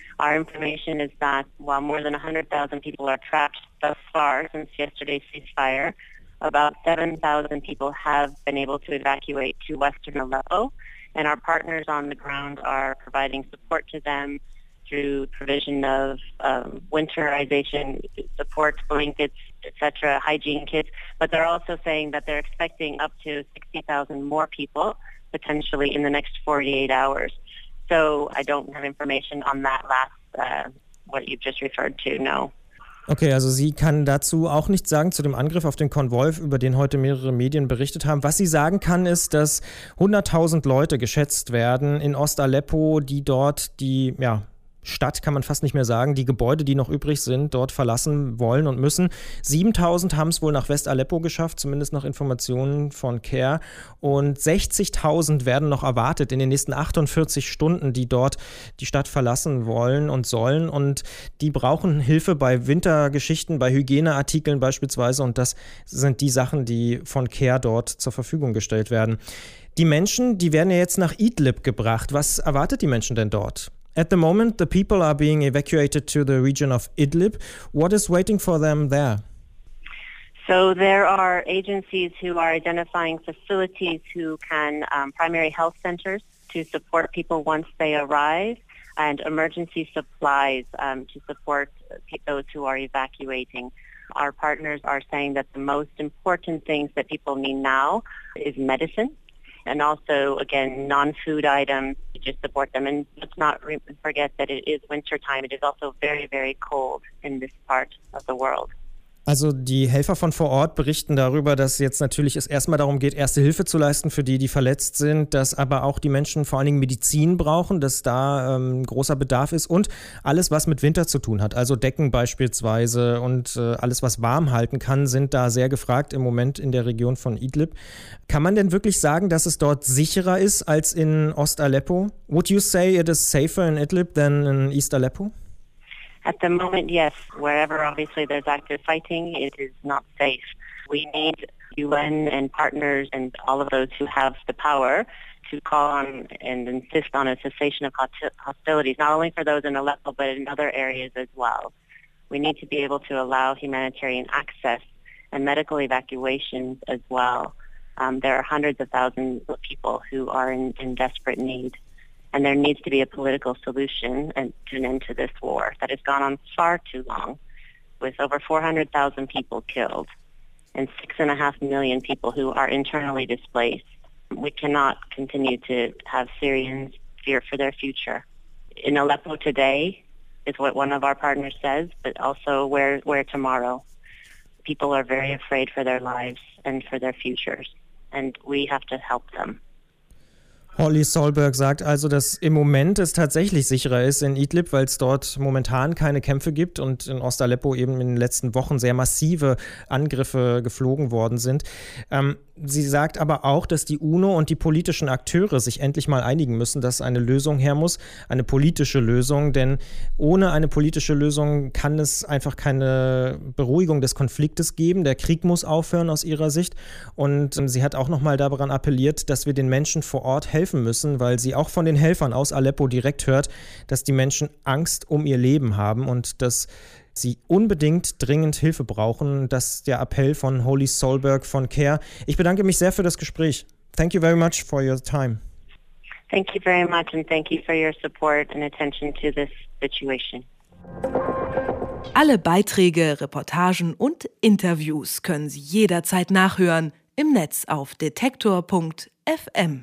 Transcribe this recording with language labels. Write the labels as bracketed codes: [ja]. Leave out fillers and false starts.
[en] Our information is that while more than 100,000 people are trapped thus far since yesterday's ceasefire, about 7,000 people have been able to evacuate to Western Aleppo, and our partners on the ground are providing support to them through provision of winterization support, blankets, etc., hygiene kits. But they're also saying that they're expecting up to 60,000 more people potentially in the next 48 hours. So I don't have information on that last, what you've just referred to, no. [de] Okay, also sie kann dazu auch nichts sagen, zu dem Angriff auf den Konvoi, über den heute mehrere Medien berichtet haben. Was sie sagen kann, ist, dass 100.000 Leute geschätzt werden in Ost-Aleppo, die dort Stadt kann man fast nicht mehr sagen, die Gebäude, die noch übrig sind, dort verlassen wollen und müssen. 7.000 haben es wohl nach West-Aleppo geschafft, zumindest nach Informationen von CARE. Und 60.000 werden noch erwartet in den nächsten 48 Stunden, die dort die Stadt verlassen wollen und sollen. Und die brauchen Hilfe bei Wintergeschichten, bei Hygieneartikeln beispielsweise. Und das sind die Sachen, die von CARE dort zur Verfügung gestellt werden. Die Menschen, die werden ja jetzt nach Idlib gebracht. Was erwartet die Menschen denn dort? [en] At the moment, the people are being evacuated to the region of Idlib. What is waiting for them there? So there are agencies who are identifying facilities who can, primary health centers to support people once they arrive, and emergency supplies to support those who are evacuating. Our partners are saying that the most important things that people need now is medicine. And also, again, non-food items to just support them. And let's not forget that it is wintertime. It is also very, very cold in this part of the world. [de] Also die Helfer von vor Ort berichten darüber, dass jetzt natürlich es erstmal darum geht, erste Hilfe zu leisten für die, die verletzt sind, dass aber auch die Menschen vor allen Dingen Medizin brauchen, dass da großer Bedarf ist und alles, was mit Winter zu tun hat, also Decken beispielsweise und alles, was warm halten kann, sind da sehr gefragt im Moment in der Region von Idlib. Kann man denn wirklich sagen, dass es dort sicherer ist als in Ost-Aleppo? [en] Would you say it is safer in Idlib than in East Aleppo? At the moment, yes. Wherever, obviously, there's active fighting, it is not safe. We need UN and partners and all of those who have the power to call on and insist on a cessation of hostilities, not only for those in Aleppo, but in other areas as well. We need to be able to allow humanitarian access and medical evacuations as well. There are hundreds of thousands of people who are in desperate need, and there needs to be a political solution and to an end to this war that has gone on far too long, with over 400,000 people killed and 6.5 million people who are internally displaced. We cannot continue to have Syrians fear for their future. In Aleppo today is what one of our partners says, but also where tomorrow. People are very afraid for their lives and for their futures, and we have to help them. [de] Holly Solberg sagt also, dass im Moment es tatsächlich sicherer ist in Idlib, weil es dort momentan keine Kämpfe gibt und in Ost-Aleppo eben in den letzten Wochen sehr massive Angriffe geflogen worden sind. Sie sagt aber auch, dass die UNO und die politischen Akteure sich endlich mal einigen müssen, dass eine Lösung her muss, eine politische Lösung, denn ohne eine politische Lösung kann es einfach keine Beruhigung des Konfliktes geben. Der Krieg muss aufhören aus ihrer Sicht, und sie hat auch nochmal daran appelliert, dass wir den Menschen vor Ort helfen müssen, weil sie auch von den Helfern aus Aleppo direkt hört, dass die Menschen Angst um ihr Leben haben und dass sie unbedingt dringend Hilfe brauchen. Das ist der Appell von Holly Solberg von CARE. Ich bedanke mich sehr für das Gespräch. [en] Thank you very much for your time. Thank you very much and thank you for your support and attention to this situation. [de] Alle Beiträge, Reportagen und Interviews können Sie jederzeit nachhören im Netz auf detektor.fm.